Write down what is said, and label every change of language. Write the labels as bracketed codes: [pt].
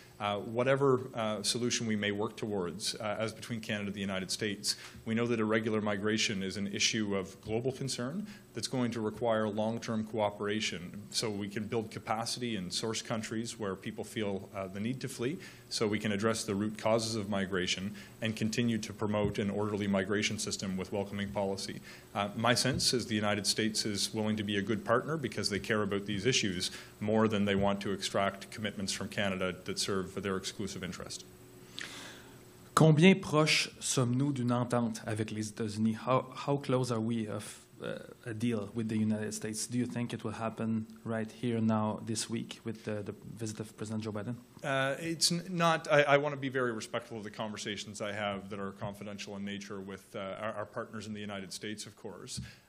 [en] Whatever solution we may work towards as between Canada and the United States, we know that irregular migration is an issue of global concern that's going to require long-term cooperation so we can build capacity in source countries where people feel the need to flee, so we can address the root causes of migration and continue to promote an orderly migration system with welcoming policy. My sense is the United States is willing to be a good partner because they care about these issues more than they want to extract commitments from Canada that serve for their exclusive interest. [fr] Combien proche sommes-nous d'une entente avec les États-Unis? [en] How close are we of a deal with the United States? Do you think it will happen right here now this week with the visit of President Joe Biden? It's not. I want to be very respectful of the conversations I have that are confidential in nature with our partners in the United States, of course.